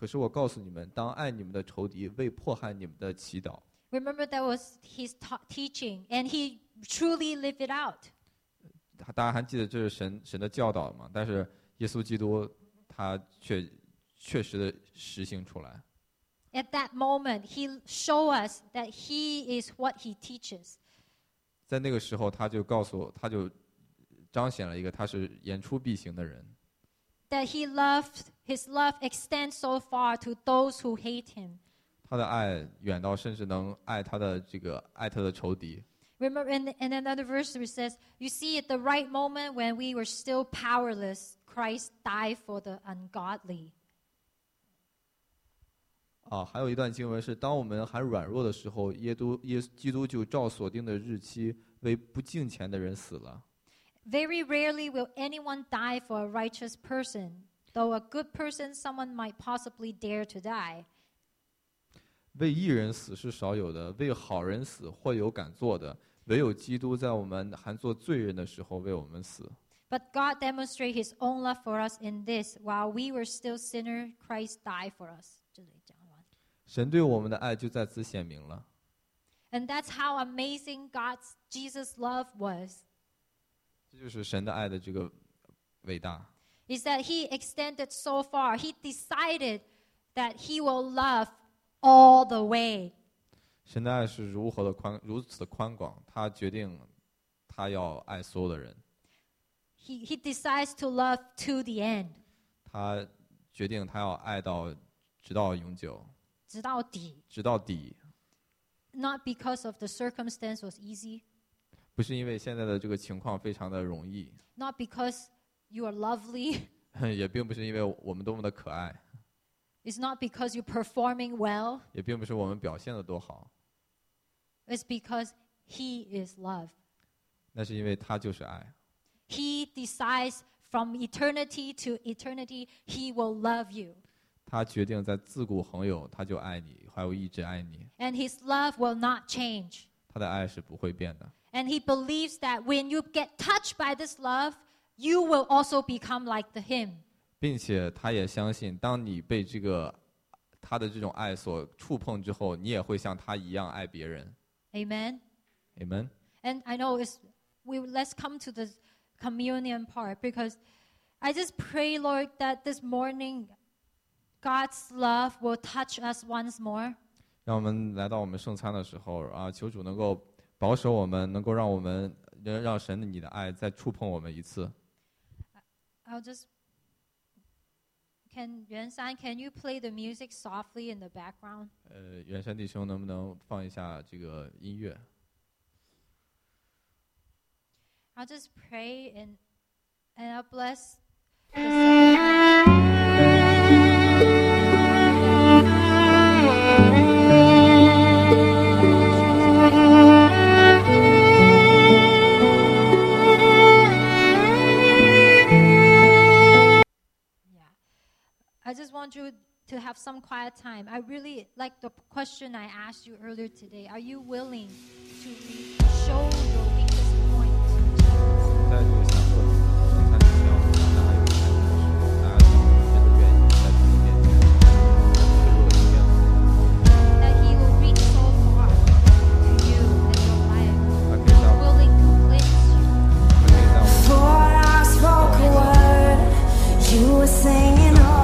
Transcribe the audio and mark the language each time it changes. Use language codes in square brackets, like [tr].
[zh] 可是我告诉你们，当爱你们的仇敌，为迫害你们的祈祷。 [en] Remember that was his teaching, and he truly lived it out. [zh] 大家还记得这是神的教导吗？但是耶稣基督他却确实的实行出来。 [en] At that moment, he showed us that he is what he teaches. [zh] 在那个时候，他就彰显了一个他是言出必行的人。 [en] That he loved, his love extends so far to those who hate him. [zh] 他的爱远到甚至能爱他的这个爱他的仇敌。 [en] Remember, in another verse, it says, "You see, at the right moment when we were still powerless, Christ died for the ungodly." [zh] 还有一段经文是，当我们还软弱的时候，耶稣基督就照锁定的日期为不敬虔的人死了。 [en] Very rarely will anyone die for a righteous person, though a good person, someone might possibly dare to die. [zh] 为义人死是少有的，为好人死或有敢做的，唯有基督在我们还做罪人的时候为我们死。 [en] But God demonstrated His own love for us in this, while we were still sinners, Christ died for us. [zh] 这里讲完。神对我们的爱就在此显明了。 [en] And that's how amazing God's Jesus' love was. [zh] 这就是神的爱的这个伟大。 [en] Is that he extended so far? He decided that he will love all the way. [zh] 神的爱是如此的宽广，他决定他要爱所有的人。 [en] He decides to love to the end. [zh] 他决定他要爱到直到永久。直到底。 [en] Not because of the circumstance was easy. [zh] 不是因为现在的这个情况非常的容易。 [en] Not because you are lovely. [zh] 也并不是因为我们多么的可爱。 [en] It's not because you're performing well. [zh] 也并不是我们表现的多好。 [en] It's because he is love. [zh] 那是因为他就是爱。 [en] He decides from eternity to eternity, he will love you. [zh] 他决定在自古恒有，他就爱你，还有一直爱你。 [en] And his love will not change. [zh] 他的爱是不会变的。 [en] And he believes that when you get touched by this love, you will also become like the him. [zh] 并且他也相信，当你被这个他的这种爱所触碰之后，你也会像他一样爱别人。 [en] Amen. Amen. And I know it's we let's come to the communion part because I just pray, Lord, that this morning. God's love will touch us once more. [zh] 让我们来到我们圣餐的时候啊，求主能够保守我们，能够让我们让神你的爱再触碰我们一次。 [en] I'll just can Yuan San, can you play the music softly in the background? [zh] 袁山弟兄，能不能放一下这个音乐 [en] ？I'll just pray and I'll bless. I just want you to have some quiet time. I really like the question I asked you earlier today. Are you willing to show your weakest point? [zh] 在这个享受圣餐之前，我们大家有一点点时候，大家真的愿意在主面前脆弱一点。 [en] That he will reach so far to you and your life. Okay, so willing to cleanse you. Before I spoke a word, you were singing.